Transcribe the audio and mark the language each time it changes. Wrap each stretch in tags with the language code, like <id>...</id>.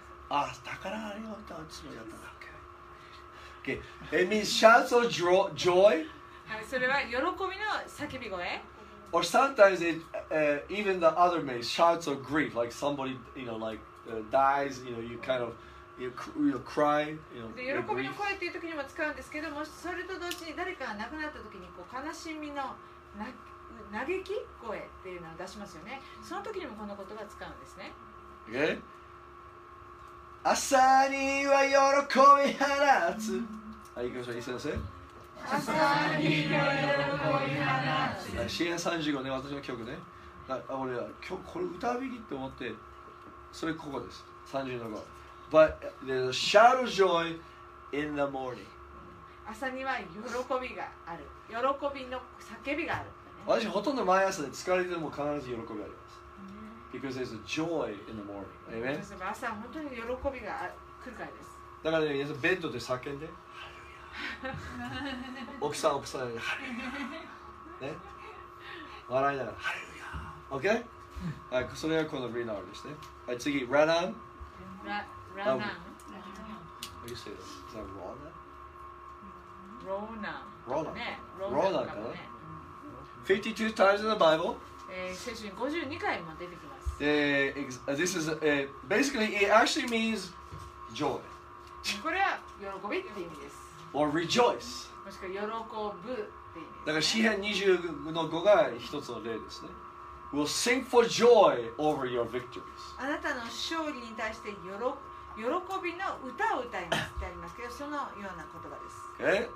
<ja>あ、宝ありがとう。つもりだったんだ。</ja> <en>Okay。 It means shouts of joy。</en> <ja>はい、それは喜びの叫び声。</ja> <en>Or sometimes it even the other means shouts of grief, like somebody you know like. Dies, you know, you kind of, you cry, you know.</en> <ja>で喜びの声っていう時にも使うんですけども、それと同時に誰かが亡くなった時にこう悲しみの嘆き声っていうのを出しますよね。その時にもこの言葉を使うんですね。 Okay. 朝には喜び放つ。はい、行きましょう。一緒にせ。朝には喜び放つ。詩編35ね、私の曲ね。俺は今日これ歌うべきって思って。それここです。30の5。</ja> <en>But there's a shout of joy in the morning.</en> <ja>朝には喜びがある。喜びの叫びがある、ね。私ほとんど毎朝で疲れても必ず喜びがあります。</ja> <en>Because there's a joy in the morning. Amen?</en> <ja>朝本当に喜びが来るからです。だから、ね、皆さんベッドで叫んで。ハルヤ。奥さん奥さんで。ハルヤ。ね。笑いながら。ハルヤ。OK? はい、それがこのリナールですね。はい、次、ランアン。ランアン。</ja> <en>How do you say this? Is that Rona? Rona. Rona. Rona かな。52 times in the Bible.</en> <ja>聖書に52回も出てきます。</ja> <en>で、this is, basically, it actually means joy.</en> <ja>これは喜びって意味です。</ja> <en>Or rejoice.</en> <ja>もしくは喜ぶって意味です。だから、詩編20の5が一つの例ですね。</ja> <en>Will sing for joy over your victories.</en> <ja>あなたの勝利に対して喜びの歌を歌いますってありますけど、そのような言葉です。</ja>